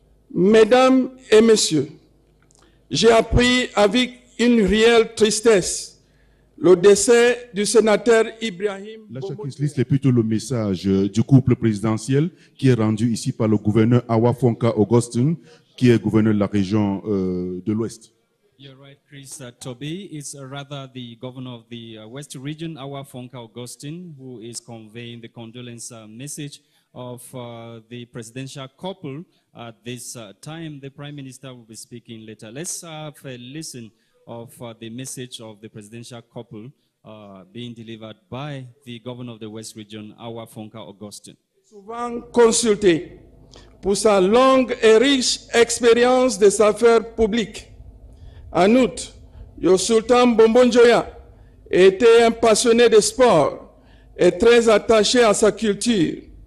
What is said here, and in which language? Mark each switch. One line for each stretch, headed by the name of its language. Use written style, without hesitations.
French: Mesdames et messieurs, j'ai appris avec une réelle tristesse le décès du sénateur Ibrahim Bombonjoya. La chacune liste est plutôt le message du couple présidentiel qui est rendu ici par le gouverneur Awa Fonka Augustin, qui est gouverneur de la région de l'Ouest.
English: You're right, Chris Toby. It's rather the governor of the West Region, Awa Fonka Augustin, who is conveying the condolence message of the presidential couple at this time. The prime minister will be speaking later. Let's have a listen of the message of the presidential couple being delivered by the governor of the West Region, Awa Fonka Augustin.
French: Souvent consulté pour sa longue et riche expérience des affaires publiques. En outre, le sultan Bombonjoya était un passionné de sport et très attaché à sa culture.